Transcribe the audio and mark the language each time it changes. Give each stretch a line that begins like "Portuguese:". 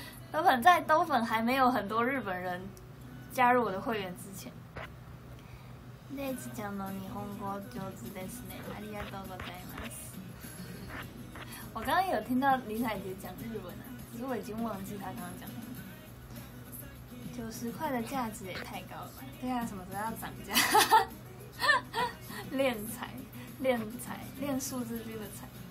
Chinese: 兜粉在兜粉还没有很多日本人加入我的会员之前。
Japanese: レイチちゃんの日本語上手ですね。ありがとうございます。
Chinese: 我刚刚有听到李彩杰讲日文啊，可是我已经忘记他刚刚讲了。 90块的价值也太高了吧？对啊，什么时候要涨价？练财，练财，练数字这个财。